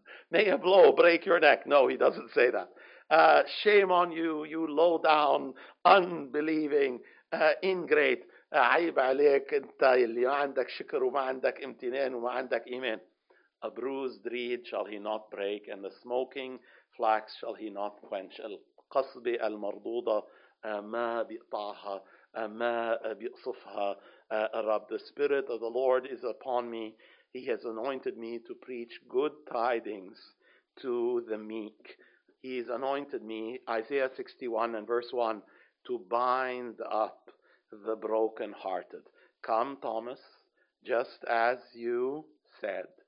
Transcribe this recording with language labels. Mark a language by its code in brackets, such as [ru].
[en] May a blow break your neck. No, he doesn't say that. Shame on you, you low down, unbelieving, ingrate. [ar] عيب عليك انت اللي ما عندك شكر وما عندك امتنان وما عندك ايمان. [en] A bruised reed shall he not break and the smoking flax shall he not quench. [ar] القصبة المرضوضة ما بيقطعها ما بيقصفها الرب. [en] The spirit of the Lord is upon me. He has anointed me to preach good tidings to the meek. He has anointed me, Isaiah 61 and verse 1, to bind up the brokenhearted. Come, Thomas, just as you said.